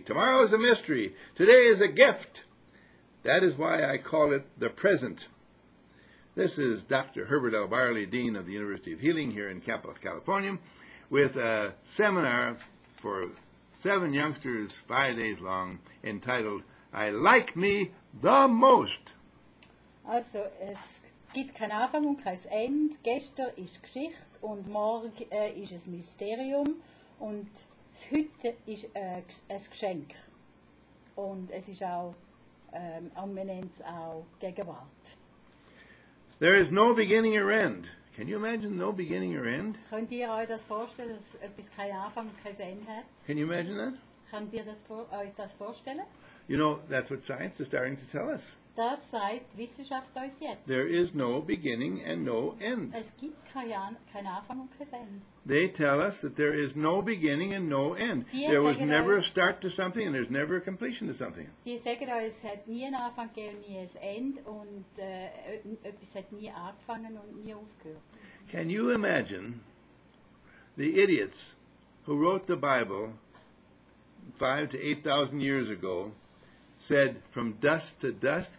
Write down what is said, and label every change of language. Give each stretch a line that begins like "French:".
English: Tomorrow is a mystery. Today is a gift. That is why I call it the present. This is Dr. Herbert L. Byerly, Dean of the University of Healing here in Campo, California, with a seminar for seven youngsters, 5 days long, entitled, I Like Me the Most.
German: Also, es gibt keinen Anfang und kein End. Gestern ist Geschichte und morgen ist es Mysterium. Und heute ist ein Geschenk. Und es ist auch, man nennt es auch Gegenwart.
English: There is no beginning or end. Can you imagine no beginning or end?
German: Könnt ihr euch das vorstellen, dass etwas keinen Anfang und kein Ende hat?
English: Can you imagine that?
German: Könnt ihr das euch das vorstellen?
English: You know, that's what science is starting to tell us.
German: Das sagt Wissenschaft uns jetzt.
English: There is no beginning and no end.
German: Es gibt kein Anfang und kein Ende.
English: They tell us that there is no beginning and no end. There was never a start to something and there's never a completion to something.
German: Die sagen uns, es hat nie einen Anfang gegeben, nie ein Ende und etwas hat nie angefangen und nie aufgehört.
English: Can you imagine the idiots who wrote the Bible 5,000 to 8,000 years ago said, from dust to dust?